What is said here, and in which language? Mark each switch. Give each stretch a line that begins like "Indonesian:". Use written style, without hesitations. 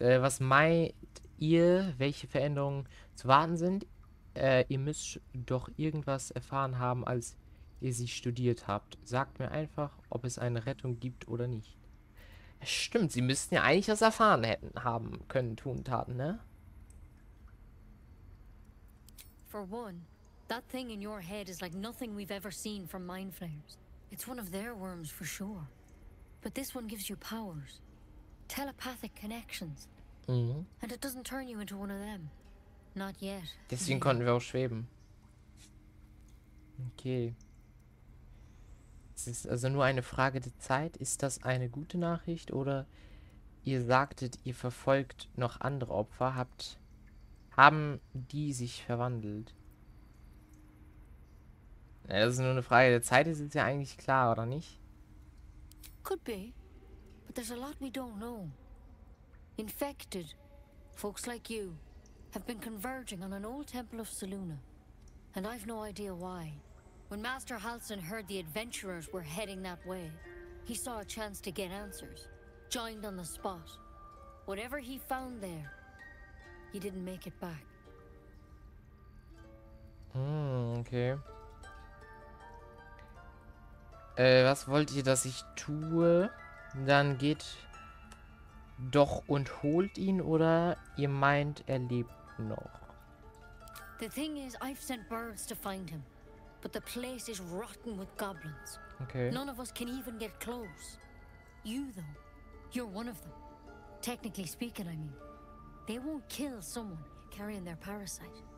German: Was meint ihr, welche Veränderungen zu warten sind? Ihr müsst doch irgendwas erfahren haben, als ihr sie studiert habt. Sagt mir einfach, ob es eine Rettung gibt oder nicht. Stimmt, sie müssten ja eigentlich was erfahren hätten haben können, tun, taten, ne?
English: For one, that thing in your head is like nothing we've ever seen from Mind Flayers. It's one of their worms for sure. But this one gives you powers. Telepathic connections. Mhm. And it doesn't turn you into one of them. Not yet.
German: Deswegen konnten wir auch schweben. Okay. Es ist also nur eine Frage der Zeit. Ist das eine gute Nachricht oder ihr sagtet, ihr verfolgt noch andere Opfer? Haben die sich verwandelt? Ja, das ist nur eine Frage der Zeit. Ist es ja eigentlich klar, oder nicht?
English: Could be, but there's a lot we don't know. Infected, folks like you, have been converging on an old temple of Saluna, and I've no idea why. When Master Halson heard the adventurers were heading that way, he saw a chance to get answers. Joined on the spot. Whatever he found there, he didn't make it back. Okay.
German: Was wollt ihr, dass ich tue? Dann geht doch und holt ihn, oder ihr meint, er lebt noch?
English: The thing is, I've sent birds to find him. But the place is rotten with goblins. Okay. None of us can even get close. You, though, you're one of them. Technically speaking, I mean. They won't kill someone carrying their parasite.